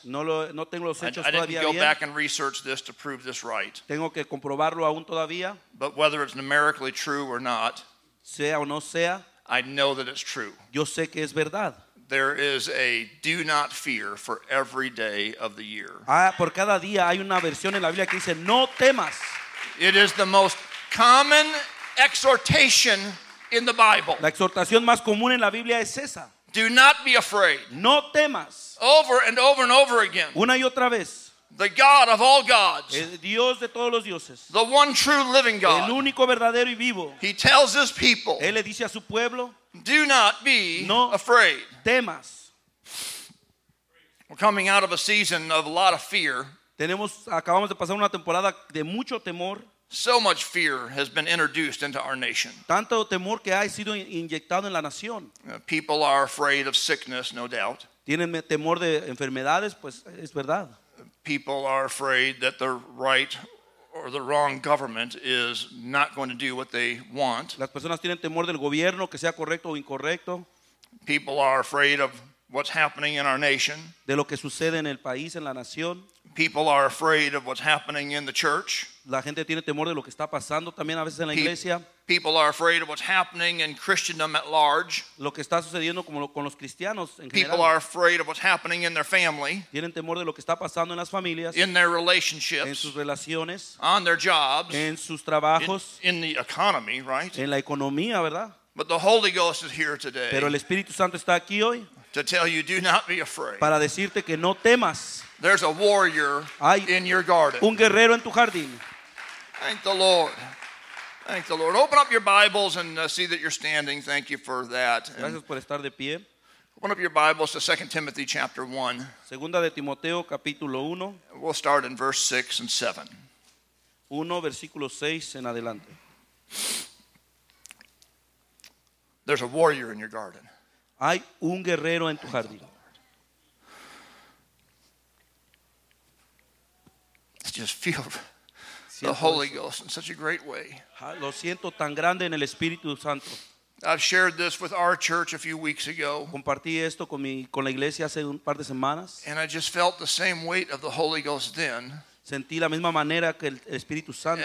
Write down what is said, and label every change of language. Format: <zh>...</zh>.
<es>No tengo los hechos todavía bien.</es> <en>I didn't go back and research this to prove this right.</en> <es>Tengo que comprobarlo aún todavía.</es> <en>But whether it's numerically true or not.</en> <es>Sea o no sea,</es> <en>I know that it's true.</en> <es>Yo sé que es verdad.</es> <en>There is a do not fear for every day of the year.</en> <es>Por cada día hay una versión en la Biblia que dice no temas.</es> <en>It is the most common exhortation in the Bible.</en> <es>La exhortación más común en la Biblia es esa.</es> <en>Do not be afraid.</en> <es>No temas.</es> <en>Over and over and over again.</en> <es>Una y otra vez.</es> <en>The God of all gods.</en> <es>El Dios de todos los dioses.</es> <en>The one true living God.</en> <es>El único verdadero y vivo.</es> <en>He tells his people.</en> <es>Él le dice a su pueblo.</es> <en>Do not be</en> <es>no</es> <en>afraid.</en> <es>Temas.</es> <en>We're coming out of a season of a lot of fear.</en> <es>Acabamos de pasar una temporada de mucho temor.</es> <en>So much fear has been introduced into our nation.</en> <es>Tanto temor que ha sido inyectado en la nación.</es> <en>People are afraid of sickness, no doubt.</en> <es>Tienen temor de enfermedades, pues es verdad.</es> <en>People are afraid that the right or the wrong government is not going to do what they want.</en> <es>Las personas tienen temor del gobierno, que sea correcto o incorrecto.</es> <en>People are afraid of what's happening in our nation.</en> <es>De lo que sucede en el país, en la nación.</es> <en>People are afraid of what's happening in the church.</en> <es>La gente tiene temor de lo que está pasando también a veces en la iglesia.</es> <en>People are afraid of what's happening in Christendom at large.</en> <es>Lo que está sucediendo como con los cristianos en general.</es> <en>People are afraid of what's happening in their family.</en> <es>Tienen temor de lo que está pasando en las familias.</es> <en>In their relationships.</en> <es>En sus relaciones.</es> <en>On their jobs.</en> <es>En sus trabajos.</es> <en>In the economy, right?</en> <es>En la economía, ¿verdad?</es> <en>But the Holy Ghost is here today.</en> <es>Pero el Espíritu Santo está aquí hoy.</es> <en>To tell you, do not be afraid.</en> <es>Para decirte que no temas.</es> <en>There's a warrior</en> <es>hay</es> <en>in your garden.</en> <es>Un guerrero en tu jardín.</es> <en>Thank the Lord. Thank the Lord. Open up your Bibles and see that you're standing. Thank you for that.</en> <es>Gracias por estar de pie.</es> <en>Open up your Bibles to 2 Timothy chapter 1.</en> <es>Segunda de Timoteo capítulo 1.</es> <en>We'll start in verse 6 and 7.</en> <es>1 versículo 6 en adelante.</es> <en>There's a warrior in your garden.</en> <es>Hay un guerrero en tu jardín.</es> <en>I just feel the Holy Ghost in such a great way.</en> <es>Lo siento tan grande en el Espíritu Santo.</es> <en>I've shared this with our church a few weeks ago.</en> <es>Compartí esto con la iglesia hace un par de semanas.</es> <en>And I just felt the same weight of the Holy Ghost then.</en> <es>Sentí la misma manera que el Espíritu Santo.</es>